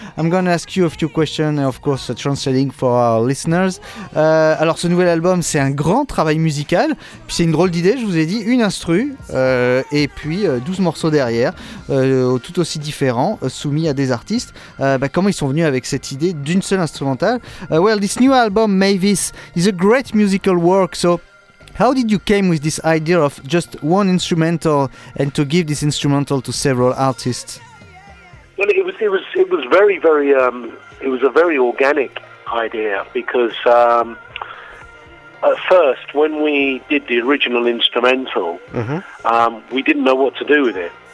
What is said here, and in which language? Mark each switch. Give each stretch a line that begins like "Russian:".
English: I'm going to ask you a few questions, of course, translating for our listeners.
French: Alors, ce nouvel album, c'est un grand travail musical. Puis c'est une drôle d'idée, je vous ai dit, une instru, et puis 12 morceaux derrière, tout aussi différents, soumis à des artistes. Comment ils sont venus avec cette idée d'une seule instrumentale?
English: Well, this new album, Mavis, is a great musical work, so... How did you came with this idea of just one instrumental and to give this instrumental to several artists? Well, it was very, very, it was a very organic idea because at first, when we did the original instrumental, we didn't know what to do with it.